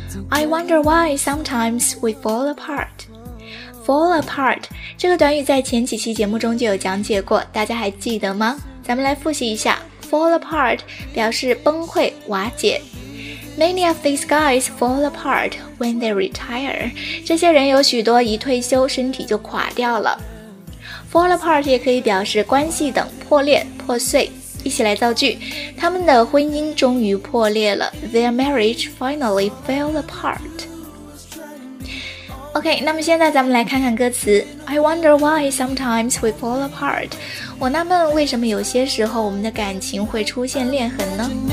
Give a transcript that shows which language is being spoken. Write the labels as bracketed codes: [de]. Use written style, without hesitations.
[en] I wonder why sometimes we fall apart. [zh] Fall apart 这个短语在前几期节目中就有讲解过，大家还记得吗？咱们来复习一下。 Fall apart 表示崩溃瓦解。 [en] Many of these guys fall apart when they retire. [zh] 这些人有许多一退休身体就垮掉了。Fall apart 也可以表示关系等破裂破碎。一起来造句，他们的婚姻终于破裂了。 [en] Their marriage finally fell apart. [zh] OK， 那么现在咱们来看看歌词。 [en] I wonder why sometimes we fall apart. [zh] 我纳闷为什么有些时候我们的感情会出现裂痕呢？